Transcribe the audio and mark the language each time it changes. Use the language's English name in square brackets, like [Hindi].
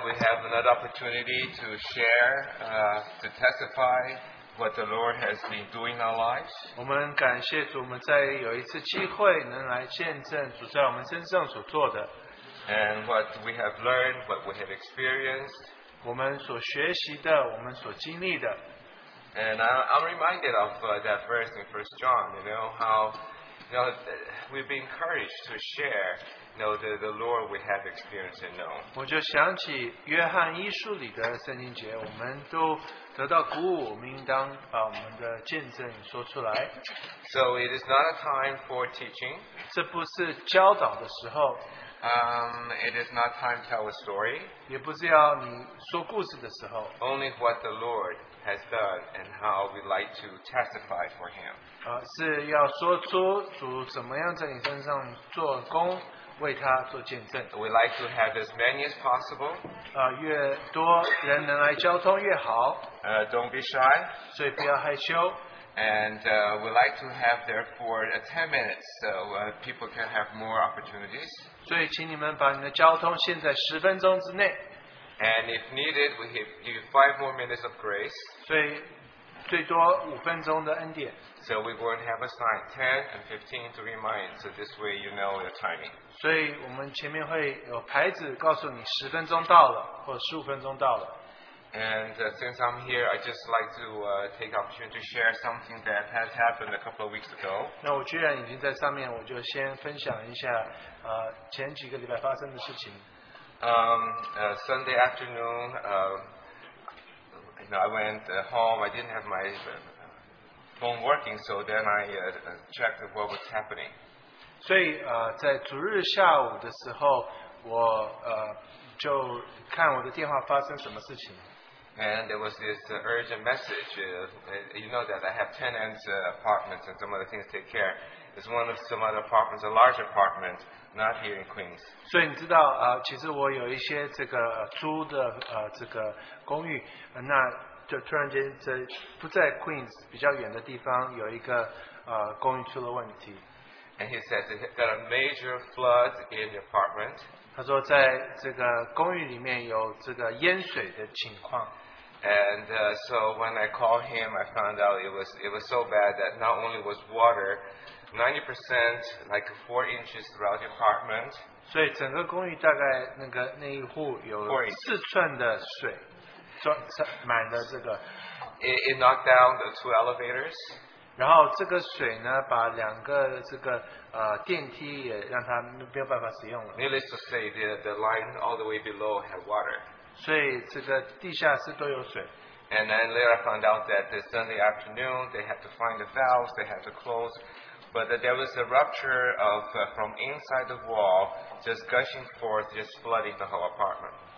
[English] opportunity to share, to testify what the Lord has been doing in our lives. [Chinese] 我们感谢主，我们再有一次机会能来见证主在我们身上所做的。 [English] And what we have learned, what we have experienced. [Chinese] 我们所学习的，我们所经历的。 [English] And I'm reminded of that verse in 1 John, you know, we've been encouraged to share. Know the Lord we have experienced and known. [Chinese] 我就想起约翰一书里的圣经节，我们都得到鼓舞，我们应当把我们的见证说出来。 [English] So it is not a time for teaching. [Chinese] 这不是教导的时候。 [English] It is not time to tell a story. [Chinese] 也不是要你说故事的时候。 [English] Only what the Lord has done and how we like to testify for Him. [Chinese] 是要说出主怎么样在你身上做工。为他做见证。 [English] We like to have as many as possible. [Chinese] 越多人能来交通越好。 [English] Don't be shy. [Chinese] 所以不要害羞。 [English] And we like to have therefore 10 minutes, so people can have more opportunities. [Chinese] 所以请你们把你的交通限在十分钟之内。 [English] And if needed, we give you 5 more minutes of grace. [Chinese] 所以最多五分钟的恩典。 [English] So we won't have a sign 10 and 15 to remind, so this way you know your timing. [Chinese] 所以我们前面会有牌子告诉你十分钟到了或十五分钟到了。 [English] And since I'm here, I'd just like to take opportunity to share something that has happened a couple of weeks ago. [Chinese] 那我居然已经在上面，我就先分享一下前几个礼拜发生的事情。 [English] Sunday afternoon, I went home. I didn't have my phone working, so then I checked what was happening. [Chinese] 所以在主日下午的时候，我就看我的电话发生什么事情。 [English] And there was this urgent message. You know that I have tenants apartments and some other things to take care. It's one of some other apartments, a large apartment, not here in Queens. [Chinese] 所以你知道其实我有一些这个租的这个公寓，那就突然间在不在 Queens 比较远的地方有一个公寓出了问题。 [English] And he said that there are major floods in the apartment. [Chinese] 他说在这个公寓里面有这个淹水的情况。 [English] And so when I called him, I found out it was so bad that not only was water 90%, like 4 inches throughout the apartment. [Chinese] 所以整个公寓大概那个那一户有四寸的水，满了这个。 [English] It knocked down the 2 elevators. [Chinese] 然后这个水呢，把两个这个电梯也让它没有办法使用了。 [English] Needless to say, the line all the way below had water. [Chinese] 所以这个地下室都有水。 [English] And then later I found out that this Sunday afternoon they had to find the valves, they had to close. But there was a rupture of from inside the wall, just gushing forth, just flooding the whole apartment.